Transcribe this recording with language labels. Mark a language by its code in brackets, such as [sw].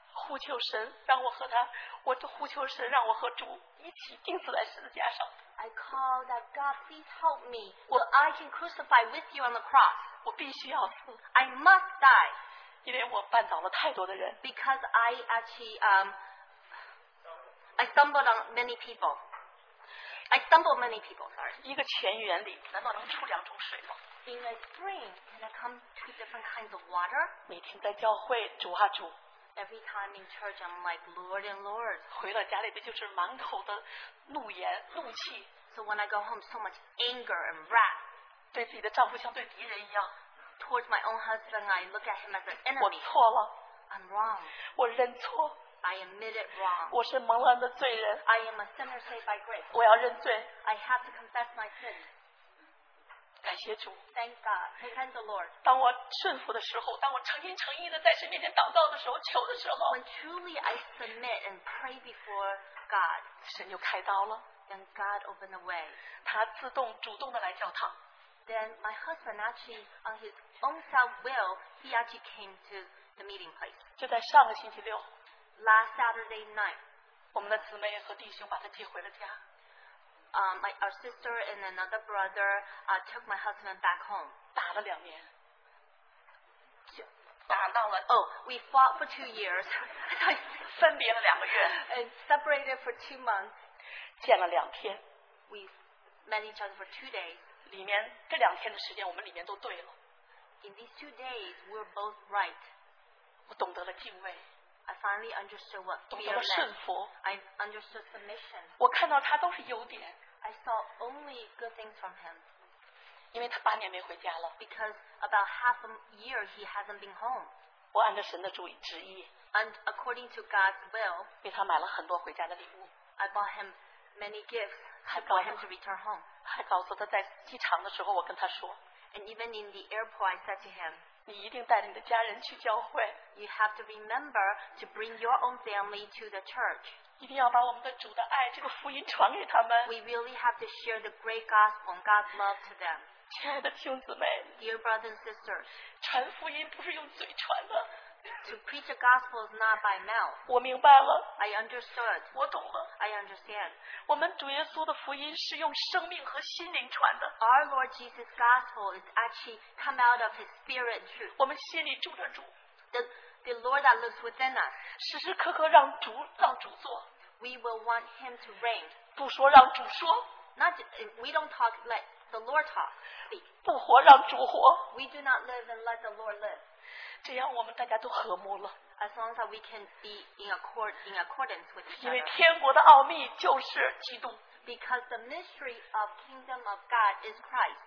[zh] 呼求神，让我和他，我都呼求神，让我和主一起钉死在十字架上。 [en] I call that God, please help me, so I can crucify with you on the cross. [zh] 我必须要死。 [en] I must die. [zh] 因为我绊倒了太多的人。 [en] Because I I stumbled on many people. I stumbled many people, sorry. [zh] 一个泉源里难道能出两种水吗？ [en] In a spring, can I come two different kinds of water? [zh] 每天在教会，主啊主。 [en] Every time in church, I'm like, Lord and Lord. [zh] 回到家里边就是满口的怒言怒气。 [en] So when I go home, so much anger and wrath. [zh] 对自己的丈夫像对敌人一样。 [en] Towards my own husband, I look at him as an enemy. [zh] 我错了。 [en] I'm wrong. [zh] 我认错。 [en] I admit it wrong. [zh] 我是蒙恩的罪人。 [en] I am a sinner saved by grace. [zh] 我要认罪。 [en] I have to confess my sin. [zh] 感谢主。 [en] Thank God. Thank the Lord. [zh] 当我顺服的时候，当我诚心诚意的在神面前祷告的时候，求的时候。 [en] When truly I submit and pray before God. [zh] 神就开刀了。 [en] And God opened the way. [zh] 他自动主动的来教堂。 [en] Then my husband actually, on his own self will, he actually came to the meeting place. [zh] 就在上个星期六。 [en] Last Saturday night, [zh] 我们的姊妹和弟兄把他接回了家。 [en] Our sister and another brother took my husband back home. [zh] 打了两年。打到了。 [en] Oh, we fought for 2 years. [zh] 分别了两个月。 [en] And separated for 2 months. [zh] 见了两天。 [en] We met each other for 2 days. [zh] 里面这两天的时间，我们里面都对了。 [en] In these 2 days, we were both right. [zh] 我懂得了敬畏。 [en] I finally understood what fear meant. I understood submission. [zh] 我看到他都是优点。 [en] I saw only good things from him. [zh] 因为他八年没回家了。 [en] Because about half a year he hasn't been home. [zh] 我按照神的旨意。 [en] And according to God's will. [zh] 为他买了很多回家的礼物。 [en] I bought him many gifts for him to return home. [zh] 还告诉他在机场的时候我跟他说。 [en] And even in the airport I said to him. [zh] 你一定带着你的家人去教会。 [en] You have to remember to bring your own family to the church. [zh] 一定要把我们的主的爱这个福音传给他们。 [en] We really have to share the great gospel, God's love to them. [zh] 亲爱的兄姊妹。 [en] Dear brothers and sisters. [zh] 传福音不是用嘴传的。 [en] To preach the gospel is not by mouth. [zh] 我明白了。 [en] I understood. [zh] 我懂了。 [en] I understand. [zh] 我们主耶稣的福音是用生命和心灵传的。 [en] Our Lord Jesus' gospel is actually come out of his spirit truth. [zh] 我们心里住着主。 [en] The Lord that lives within us. [zh] 时时刻刻让主让主做。 [en] We will want him to reign. [zh] 不说让主说。 [en] We don't talk like the Lord talks. [zh] 不活让主活。 [en] We do not live and let the Lord live. [zh] 这样我们大家都和睦了。 [en] As long as we can be in accordance with each other. [zh] 因为天国的奥秘就是基督。 [en] Because the mystery of kingdom of God is Christ.